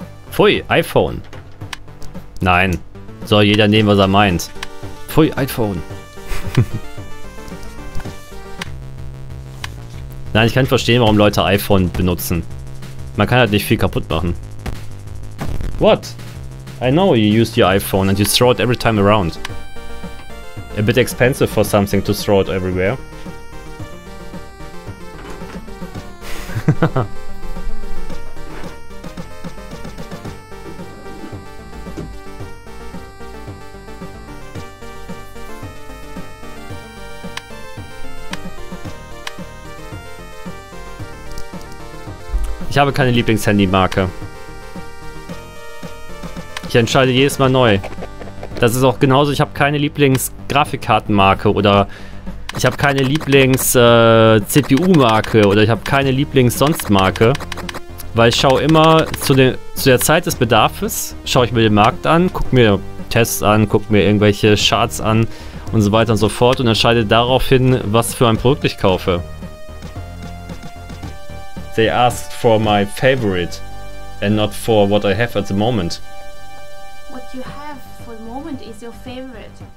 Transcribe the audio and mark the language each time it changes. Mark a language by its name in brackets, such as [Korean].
[German] Pfui, iPhone. Nein, soll jeder nehmen, was er meint. Pfui, iPhone. Nein, ich kann verstehen, warum Leute iPhone benutzen. Man kann halt nicht viel kaputt machen. [English] What? I know you used your iPhone and you throw it every time around. A bit expensive for something to throw it everywhere. [German] Ich habe keine Lieblingshandymarke. Ich entscheide jedes Mal neu. Das ist auch genauso, ich habe keine Lieblingsgrafikkartenmarke oder ich habe keine Lieblings-CPU-Marke oder ich habe keine Lieblings-Sonst-Marke. Weil ich schaue immer zu der Zeit des Bedarfs, schaue ich mir den Markt an, gucke mir Tests an, gucke mir irgendwelche Charts an und so weiter und so fort und entscheide daraufhin, was für ein Produkt ich kaufe. [English] They asked for my favorite and not for what I have at the moment. What you have for the moment is your favorite.